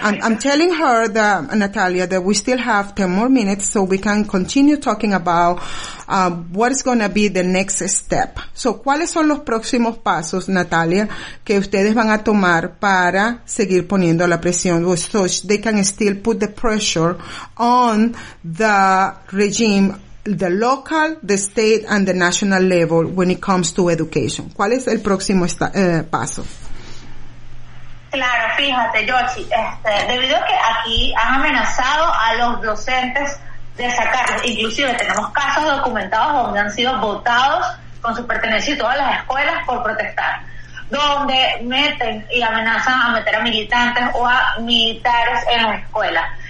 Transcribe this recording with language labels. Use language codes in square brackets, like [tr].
[en] I'm telling her that, Natalia, that we still have 10 more minutes so we can continue talking about what's going to be the next step. [es] So, ¿cuáles son los próximos pasos, Natalia, que ustedes van a tomar para seguir poniendo la presión? [en] So they can still put the pressure on the regime, the local, the state, and the national level when it comes to education. [es] ¿Cuál es el próximo paso? Claro, fíjate, Yoshi, debido a que aquí han amenazado a los docentes de sacarlos, inclusive tenemos casos documentados donde han sido botados con su pertenencia y todas las escuelas por protestar, donde meten y amenazan a meter a militantes o a militares en las escuelas.